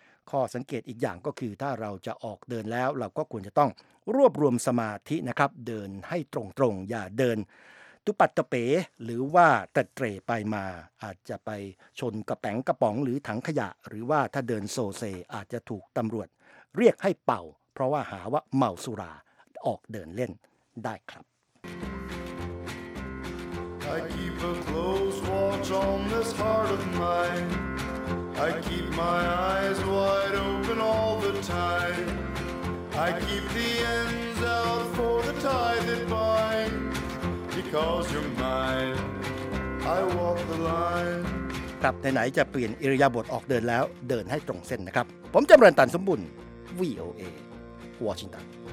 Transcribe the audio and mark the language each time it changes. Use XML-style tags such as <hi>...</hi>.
<th>ข้อสังเกตอีกอย่างก็คือถ้าเราจะออกเดินแล้วเราก็ควรจะต้องรวบรวมสมาธินะครับเดินให้ตรงๆอย่าเดินตุปัตตะเป๋หรือว่าตะเตร่ไปมาอาจจะไปชนกระแป๋งกระป๋องหรือถังขยะหรือว่าถ้าเดินโซเซอาจจะถูกตำรวจเรียกให้เป่าเพราะว่าหาว่าเมาสุราออกเดินเล่นได้ครับ</th> <en>I keep a close watch on this heart of mine. I keep my eyes wide open all the time. I keep the ends out for the tie that binds. Because you're mine, I walk the line.</en> <th>ครับไหนๆจะเปลี่ยนอิริยาบถออกเดินแล้วเดินให้ตรงเส้นนะครับผมจำเริญตันสมบุญ VOA Washington.</th>